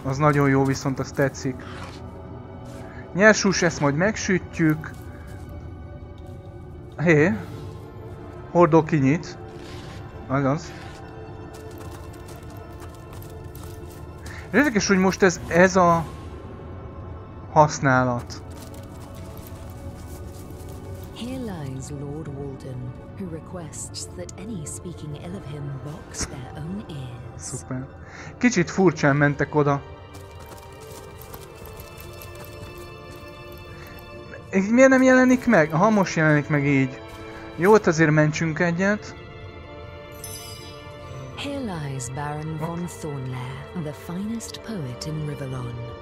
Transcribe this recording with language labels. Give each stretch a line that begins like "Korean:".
Hungarian: Az nagyon jó, viszont az tetszik. Nyersús, ezt majd megsütjük. Hé. Hordó kinyit. Azaz. Érdekes, hogy most ez a használat.
English: Here lies Lord Walden, who requests that any speaking ill of him box their own ears.
Hungarian: Szuper. Kicsit furcsán mentek oda. Miért nem jelenik meg? Aha, most jelenik meg így. Jó, ott azért mentsünk egyet.
English: Here lies Baron von Thornlair, the finest poet in Rivellon.